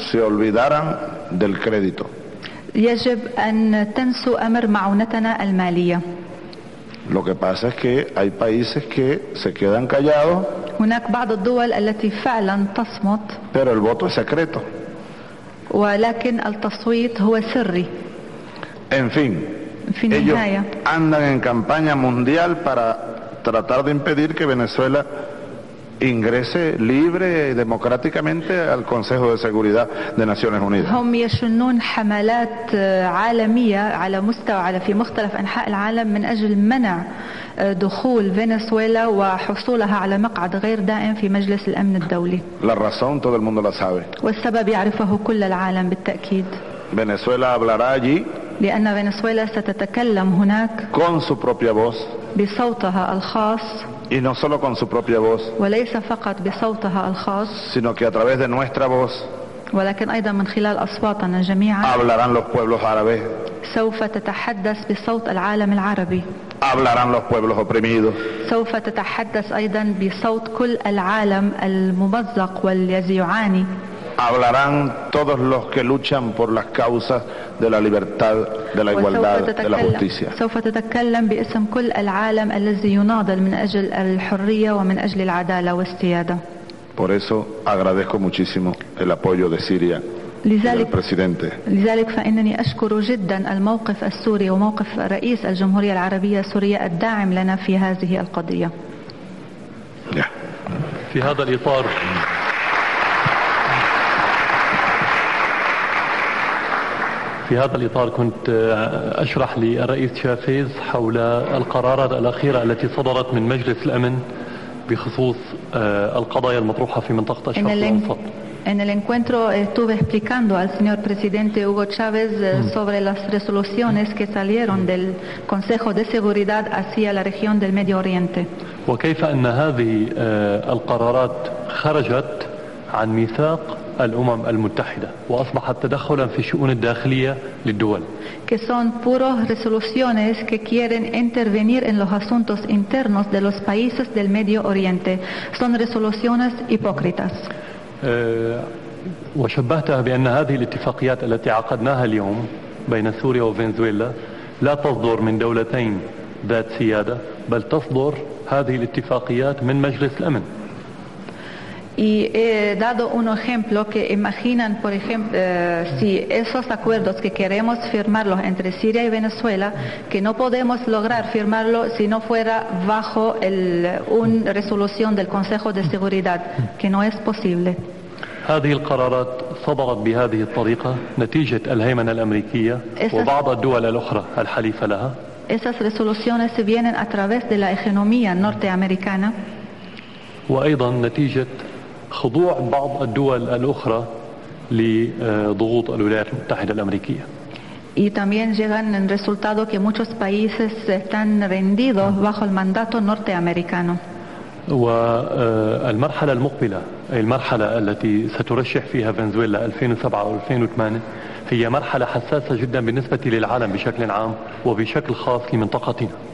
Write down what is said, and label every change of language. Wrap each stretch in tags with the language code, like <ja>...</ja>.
<es>Se olvidaran del crédito.</es> <ar>يجب أن تنسوا أمر معونتنا المالية.</ar> <es>Lo que pasa es que hay países que se quedan callados.</es> <ar>هناك بعض الدول التي فعلا تصمت.</ar> <es>Pero el voto es secreto.</es> <ar>ولكن التصويت هو سري.</ar> <es>En fin.</es> <ar>في النهاية.</ar> <es>Ellos andan en campaña mundial para tratar de impedir que Venezuela ingrese libre y democráticamente al Consejo de Seguridad de Naciones Unidas.</es> <ar>هم يشنون حملات عالمية على مستوى على في مختلف أنحاء العالم من أجل منع دخول فنزويلا وحصولها على مقعد غير دائم في مجلس الأمن الدولي.</ar> <es>La razón todo el mundo la sabe.</es> <ar>والسبب يعرفه كل العالم بالتأكيد.</ar> <es>Venezuela hablará allí.</es> <ar>لأن فنزويلا ستتكلم هناك.</ar> <es>Con su propia voz.</es> <ar>بصوتها الخاص.</ar> <es>Y no solo con su propia voz,</es> <ar>وليس فقط بصوتها الخاص,</ar> <es>sino que a través de nuestra voz,</es> <ar>ولكن أيضا من خلال أصواتنا جميعا,</ar> <es>hablarán los pueblos árabes,</es> <ar>سوف تتحدث بصوت العالم العربي,</ar> <es>hablarán los pueblos oprimidos,</es> <ar>سوف تتحدث أيضا بصوت كل العالم الممزق والذي يعاني,</ar> <es>hablarán todos los que luchan por las causas de la libertad, de la igualdad, de la justicia.</es> <ar>سوف تتكلم باسم كل العالم الذي يناضل من أجل الحرية ومن أجل العدالة والسيادة.</ar> <es>Por eso agradezco muchísimo el apoyo de Siria y del presidente.</es> <ar>لذلك فإنني أشكر جدا الموقف السوري وموقف رئيس الجمهورية العربية السورية الداعم لنا في هذه القضية. في هذا الإطار. في هذا الإطار كنت أشرح للرئيس شافيز حول القرارات الأخيرة التي صدرت من مجلس الأمن بخصوص القضايا المطروحة في منطقة الشرق الأوسط.</ar> <es>En el encuentro estuve explicando al señor presidente Hugo Chávez sobre las resoluciones que salieron del Consejo de Seguridad hacia la región del Medio Oriente.</es> <ar>وكيف أن هذه القرارات خرجت عن ميثاق الأمم المتحدة وأصبحت تدخلا في الشؤون الداخلية للدول.</ar> <es>Que son puros resoluciones que quieren intervenir en los asuntos internos de los países del Medio Oriente. Son resoluciones hipócritas.</es> <ar>وشبهتها بأن هذه الاتفاقيات التي عقدناها اليوم بين سوريا وفنزويلا لا تصدر من دولتين ذات سيادة بل تصدر هذه الاتفاقيات من مجلس الأمن.</ar> <es>Y he dado un ejemplo que imaginan, por ejemplo, si esos acuerdos que queremos firmarlos entre Siria y Venezuela, que no podemos lograr firmarlo si no fuera bajo una resolución del Consejo de Seguridad, que no es posible.</es> <ar>هذه القرارات صدرت بهذه الطريقة نتيجة الهيمنة الأمريكية وبعض الدول الأخرى الحليفة لها.</ar> <es>Esas resoluciones vienen a través de la hegemonía norteamericana.</es> <ar>وأيضا نتيجة خضوع بعض الدول الأخرى لضغوط الولايات المتحدة الأمريكية.</ar> <es>Y también llegan en resultado que muchos países están rendidos bajo el mandato norteamericano.</es> <ar>والمرحلة المقبلة، المرحلة التي سترشح فيها فنزويلا 2007 أو 2008 هي مرحلة حساسة جدا بالنسبة للعالم بشكل عام وبشكل خاص لمنطقتنا.</ar>